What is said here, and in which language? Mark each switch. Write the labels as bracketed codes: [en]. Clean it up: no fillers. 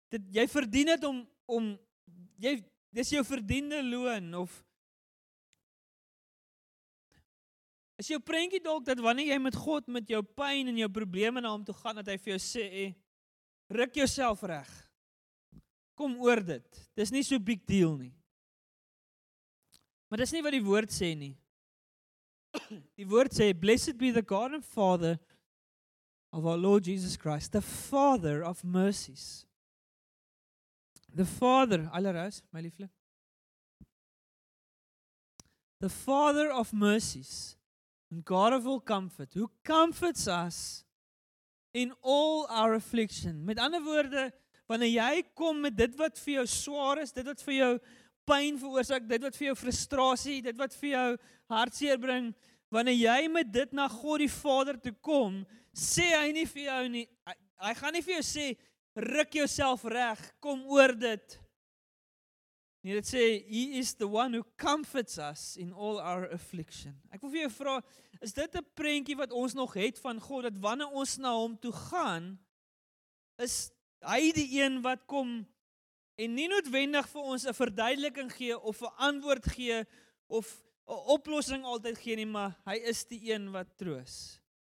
[af] Jy verdien dit om jy, dis jou verdiende loon, of is jou prentjie dalk dat wanneer jy met God met jou pyn en jou probleme na hom toe gaan, dat hy vir jou sê, ruk jouself reg, kom oor dit, dis nie so big deal nie. Maar dis nie wat die woord sê nie. Die woord sê, [en] blessed be the God and Father of our Lord Jesus Christ, the Father of mercies. The Father, alleruis, [af] my liefling. [en] The Father of mercies and God of all comfort, who comforts us in all our affliction. [af] Met ander woorde, wanneer jy kom met dit wat vir jou swaar is, dit wat vir jou pyn veroorsaak, dit wat vir jou frustrasie, dit wat vir jou hartseer bring, wanneer jy met dit na God die Vader toe kom, sê hy nie vir jou nie, hy gaan nie vir jou sê, ruk jouself reg, kom oor dit. Nee, dit sê, [en] He is the one who comforts us in all our affliction. [af] Ek wil vir jou vraag, is dit 'n prentjie wat ons nog het van God, dat wanneer ons na hom toe gaan, is hy die een wat kom en nie noodwendig vir ons 'n verduideliking gee, of 'n antwoord gee, of 'n oplossing altyd gee nie, maar hy is die een wat troos.